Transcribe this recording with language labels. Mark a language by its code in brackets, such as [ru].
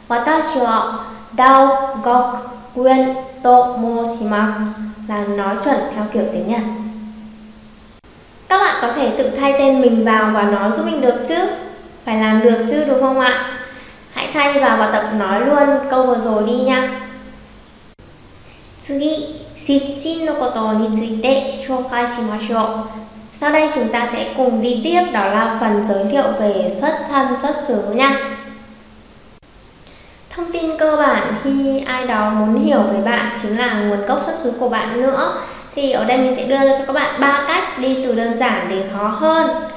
[ja] Watashi wa Đào Ngọc Nguyên tomoshimasu [vi] là nói chuẩn theo kiểu tiếng Nhật. Các bạn có thể tự thay tên mình vào và nói giúp mình được chứ? Phải làm được chứ đúng không ạ? Hãy thay vào và tập nói luôn câu vừa rồi đi nha. [ja] 次、出身のことについて紹介しましょう。 [vi] Sau đây chúng ta sẽ cùng đi tiếp, đó là phần giới thiệu về xuất thân xuất xứ nha. Thông tin cơ bản khi ai đó muốn hiểu về bạn chính là nguồn gốc xuất xứ của bạn nữa. Thì ở đây mình sẽ đưa cho các bạn 3 cách đi từ đơn giản đến khó hơn.